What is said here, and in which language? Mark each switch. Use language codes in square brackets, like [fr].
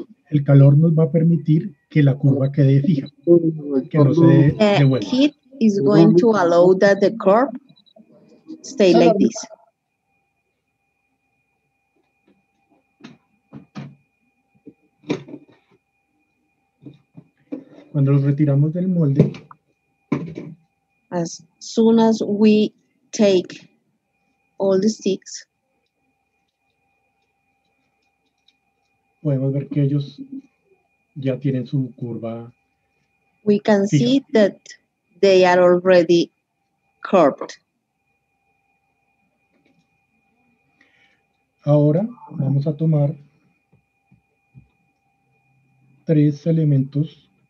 [es] El calor nos va a permitir que la curva quede fija, que no se dé de vuelta. [en] The heat is going to allow that the curve stay like this. [es] Cuando los retiramos del molde, [en] as soon as we take all the sticks, [es] podemos ver que ellos ya tienen su curva. [en] We can see that they are already curved. [es] Ahora vamos a tomar tres elementos.